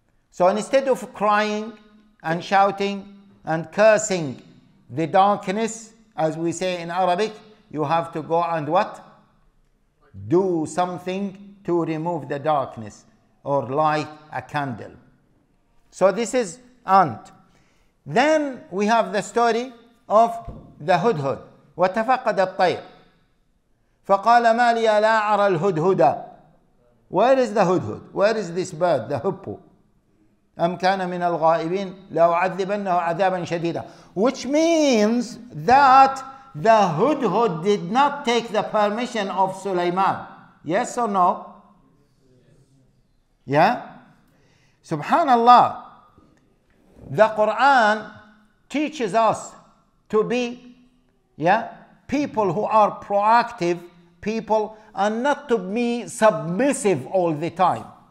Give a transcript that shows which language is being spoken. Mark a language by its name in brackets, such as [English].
[English] So instead of crying and shouting and cursing the darkness, as we say in Arabic, you have to go and what? Do something to remove the darkness or light a candle. So this is ant. Then we have the story of the hudhud. [Arabic] وتفقد الطير فقال ما لي لا أرى الهدهدة. [English] Where is the hudhud? Where is this bird, the hippo? [Arabic] أم كان من الغائبين لأعذبنه عذابا شديدا. [English] Which means that the hudhud did not take the permission of Sulaiman. Yes or no? Yeah? Subhanallah. The Quran teaches us to be, yeah, people who are proactive people and not to be submissive all the time.